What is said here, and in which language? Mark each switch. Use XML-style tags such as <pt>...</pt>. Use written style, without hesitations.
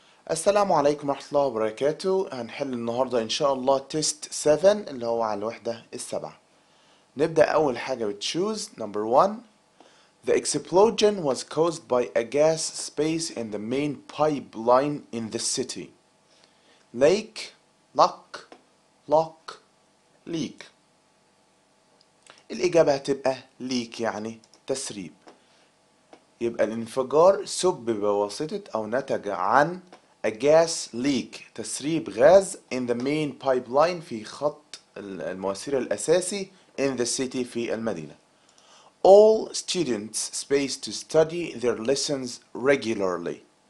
<ar>السلام عليكم ورحمة الله وبركاته. هنحل النهاردة إن شاء الله تيست 7 اللي هو على الوحدة السابعة. نبدأ أول حاجة</ar> <en>بتشوز number 1. The explosion was caused by a gas space in the main pipeline in the city. Lake, lock, lock, leak.</en> <ar>الإجابة هتبقى leak يعني تسريب. يبقى الانفجار سبب بواسطة أو نتج عن</ar> <en>a gas leak</en> <ar>تسريب غاز</ar> <en>in the main pipeline</en> <ar>في خط المواسير الأساسي</ar> <en>in the city</en> <ar>في المدينة.</ar> <en>All students space to study their lessons regularly.</en>